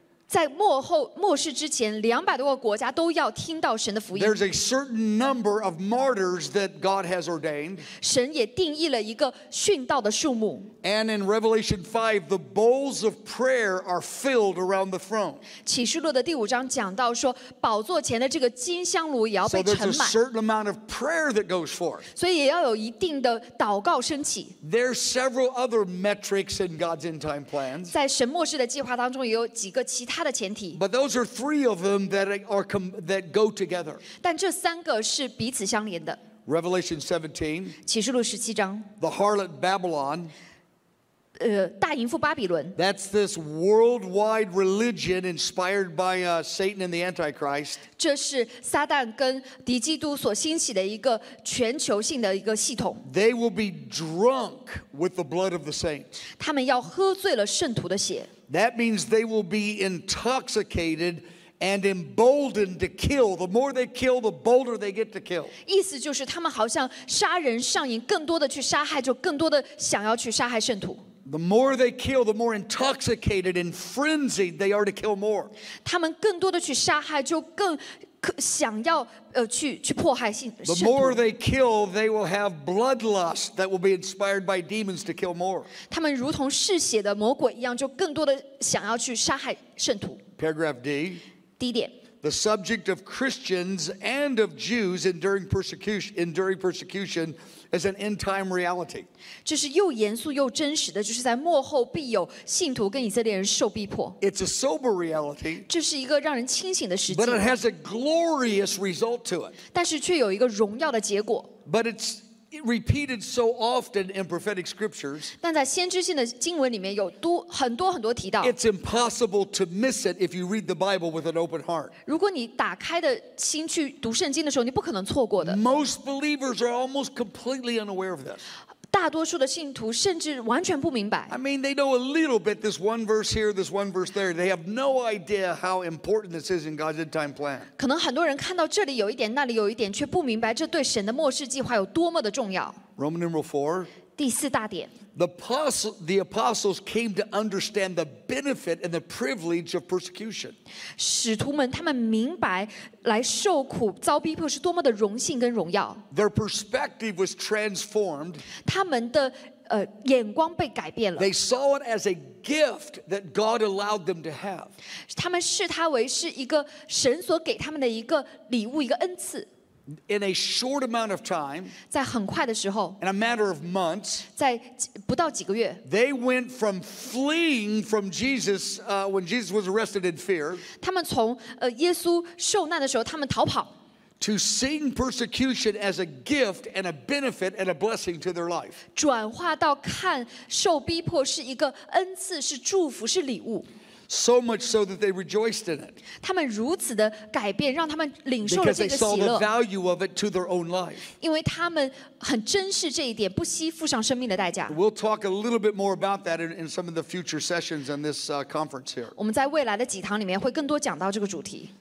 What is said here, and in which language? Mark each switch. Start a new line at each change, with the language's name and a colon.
Chinese: 在末后末世之前，两百多个国家都要听到神的福音。
English: There's a certain number of martyrs that God has ordained.
Chinese: 神也定义了一个殉道的数目。
English: And in Revelation 5, the bowls of prayer are filled around the throne.
Chinese: 启示录的第五章讲到说，宝座前的这个金香炉也要被盛满。
English: So there's a certain amount of prayer that goes forth.
Chinese: 所以也要有一定的祷告升起。
English: There's several other metrics in God's end time plans.
Chinese: 在神末世的计划当中，也有几个其他。
English: But those are three of them that go together.
Chinese: 但这三个是彼此相连的。
English: Revelation 17.
Chinese: 启示录十七章。
English: The harlot Babylon.
Chinese: 大淫妇巴比伦。
English: That's this worldwide religion inspired by Satan and the Antichrist.
Chinese: 这是撒旦跟敌基督所兴起的一个全球性的一个系统。
English: They will be drunk with the blood of the saints.
Chinese: 他们要喝醉了圣徒的血。
English: That means they will be intoxicated and emboldened to kill. The more they kill, the bolder they get to kill.
Chinese: 意思就是他们好像杀人上瘾，更多的去杀害，就更多的想要去杀害圣徒。
English: The more they kill, the more intoxicated and frenzied they are to kill more.
Chinese: 他们更多的去杀害，就更想要去迫害圣徒。
English: The more they kill, they will have bloodlust that will be inspired by demons to kill more.
Chinese: 他们如同嗜血的魔鬼一样，就更多的想要去杀害圣徒。
English: Paragraph D.
Chinese: D 点。
English: The subject of Christians and of Jews enduring persecution is an end time reality.
Chinese: 这是又严肃又真实的，就是在末后必有信徒跟以色列人受逼迫。
English: It's a sober reality.
Chinese: 这是一个让人清醒的实际。
English: But it has a glorious result to it.
Chinese: 但是却有一个荣耀的结果。
English: But it's repeated so often in prophetic scriptures.
Chinese: 但在先知性的经文里面有多很多很多提到。
English: It's impossible to miss it if you read the Bible with an open heart.
Chinese: 如果你打开的心去读圣经的时候，你不可能错过的。
English: Most believers are almost completely unaware of this.
Chinese: 大多数的信徒甚至完全不明白。
English: I mean, they know a little bit. This one verse here, this one verse there. They have no idea how important this is in God's end time plan.
Chinese: 可能很多人看到这里有一点，那里有一点，却不明白这对神的末世计划有多么的重要。
English: Roman numeral 4.
Chinese: 第四大点。
English: The apostles came to understand the benefit and the privilege of persecution.
Chinese: 使徒们他们明白来受苦遭逼迫是多么的荣幸跟荣耀。
English: Their perspective was transformed.
Chinese: 他们的眼光被改变了。
English: They saw it as a gift that God allowed them to have.
Chinese: 他们视它为是一个神所给他们的一个礼物，一个恩赐。
English: In a short amount of time,
Chinese: 在很快的时候
English: in a matter of months,
Chinese: 在不到几个月
English: they went from fleeing from Jesus when Jesus was arrested in fear,
Chinese: 他们从耶稣受难的时候，他们逃跑
English: to seeing persecution as a gift and a benefit and a blessing to their life.
Chinese: 转化到看受逼迫是一个恩赐，是祝福，是礼物。
English: So much so that they rejoiced in it.
Chinese: 他们如此的改变，让他们领受了这个喜乐。
English: Because they saw the value of it to their own life.
Chinese: 因为他们很珍视这一点，不惜付上生命的代价。
English: We'll talk a little bit more about that in some of the future sessions in this conference here.
Chinese: 我们在未来的几堂里面会更多讲到这个主题。